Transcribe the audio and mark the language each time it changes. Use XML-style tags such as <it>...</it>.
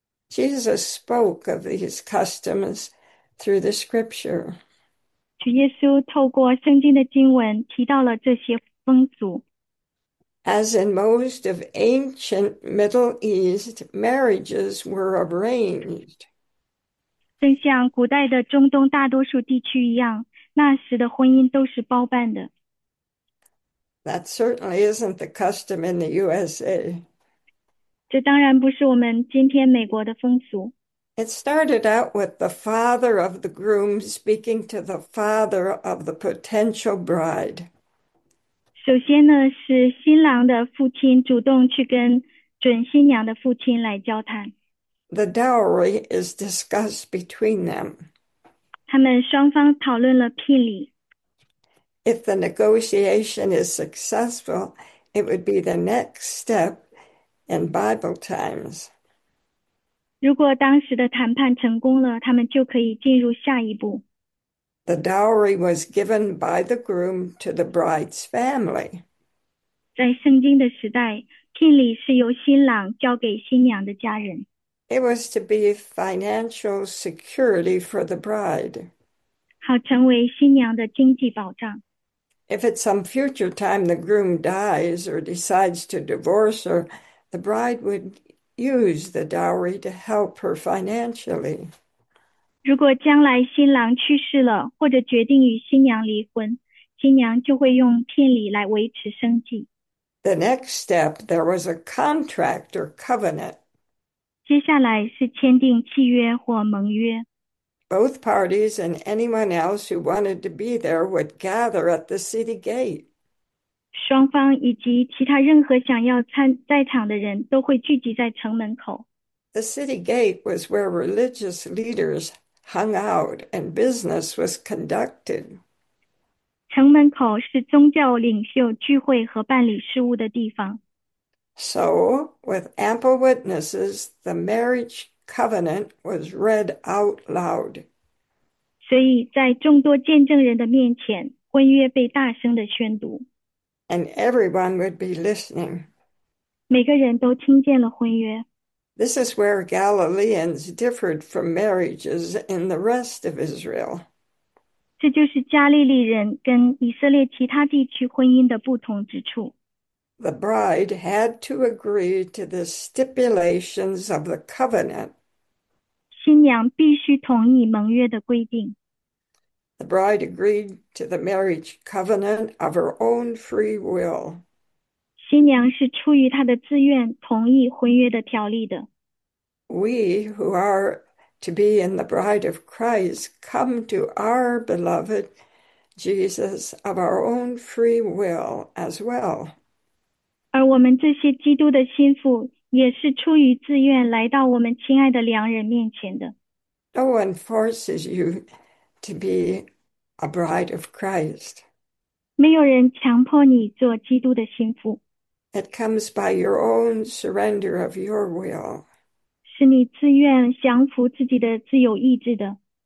<en>Jesus spoke of these customs through the scripture.</en> <zh>主耶稣透过圣经的经文提到了这些风俗。</zh> <en>As in most of ancient Middle East, marriages were arranged.</en> <zh>正像古代的中东大多数地区一样，那时的婚姻都是包办的。</zh> <en>That certainly isn't the custom in the USA.</en> <zh>这当然不是我们今天美国的风俗。</zh> <en>It started out with the father of the groom speaking to the father of the potential bride.</en> <zh>首先呢，是新郎的父亲主动去跟准新娘的父亲来交谈。</zh> <en>The dowry is discussed between them.</en> <zh>他们双方讨论了聘礼。</zh> <en>If the negotiation is successful, it would be the next step in Bible times.</en> <zh>如果当时的谈判成功了，他们就可以进入下一步。</zh> <en>The dowry was given by the groom to the bride's family.</en> <zh>在圣经的时代，聘礼是由新郎交给新娘的家人，</zh> <en>It was to be financial security for the bride.</en> <zh>好成为新娘的经济保障。</zh> <en>If at some future time the groom dies or decides to divorce her, the bride would use the dowry to help her financially.</en> <zh>如果将来新郎去世了，或者决定与新娘离婚，新娘就会用聘礼来维持生计。</zh> <en>The next step, there was a contract or covenant.</en> <zh>接下来是签订契约或盟约。</zh> <en>Both parties and anyone else who wanted to be there would gather at the city gate.</en> <zh>双方以及其他任何想要在场的人都会聚集在城门口。</zh> <en>The city gate was where religious leaders hung out and business was conducted.</en> <zh>城门口是宗教领袖聚会和办理事务的地方。</zh> <en>So, with ample witnesses, the marriage Covenant was read out loud.</en> <zh>所以在众多见证人的面前，婚约被大声的宣读。</zh> <en>And everyone would be listening.</en> <zh>每个人都听见了婚约。</zh> <en>This is where Galileans differed from marriages in the rest of Israel.</en> <zh>这就是加利利人跟以色列其他地区婚姻的不同之处。</zh> <en>The bride had to agree to the stipulations of the covenant.</en> <zh>新娘必须同意盟约的规定。</zh> <en>The bride agreed to the marriage covenant of her own free will.</en> <zh>新娘是出于她的自愿同意婚约的条例的。</zh> <en>We who are to be in the bride of Christ come to our beloved Jesus of our own free will as well.</en> <zh>而我们这些基督的心腹也是出于自愿来到我们亲爱的良人面前的。</zh> <en>No one forces you to be a bride of Christ.</en> <zh>没有人强迫你做基督的心腹，</zh> <en>It comes by your own surrender of your will.</en> <zh>是你自愿降服自己的自由意志的。</zh>